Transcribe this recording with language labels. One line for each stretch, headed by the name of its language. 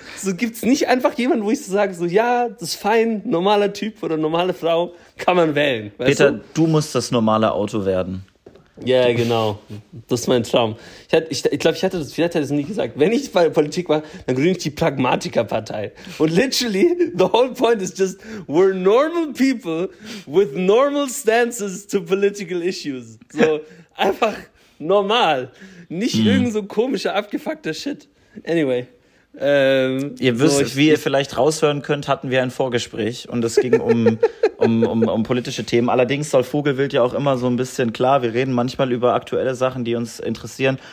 German: So, gibt es nicht einfach jemanden, wo ich so sage, so, ja, das ist fein, normaler Typ oder normale Frau, kann man wählen. Weißt Peter, du musst das normale Auto werden. Ja, yeah, genau. Das ist mein Traum. Ich glaube, ich hatte das nie gesagt. Wenn ich bei der Politik war, dann gründe ich die Pragmatikerpartei.
English: Und literally, the whole point is just, we're normal people with normal stances to political issues.
German: So, einfach normal. Nicht irgend so komischer, abgefuckter Shit.
English: Anyway.
German: Ihr wisst, so, wie ihr vielleicht raushören könnt, hatten wir ein Vorgespräch und es ging um politische Themen. Allerdings soll Vogelwild ja auch immer so ein bisschen klar. Wir reden manchmal über aktuelle Sachen, die uns interessieren.